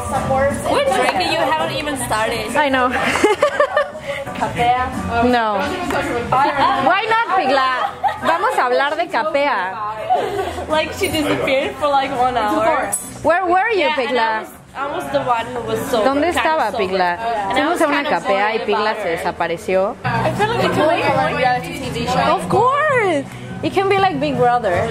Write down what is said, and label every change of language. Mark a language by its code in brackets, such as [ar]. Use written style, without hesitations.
[en] We're drinking, you haven't even started. I know. [es] Capea. No. [en] Why not, [es] Pigla? Vamos a hablar de Capea. [en] Like, she disappeared for like 1 hour. Where were you, Pigla? I was the one who was sober. [es] ¿Dónde estaba Pigla? Fuimos a una Capea y Pigla se desapareció. [en] I feel like it can be like a reality TV show. Of course! It can be like Big Brother.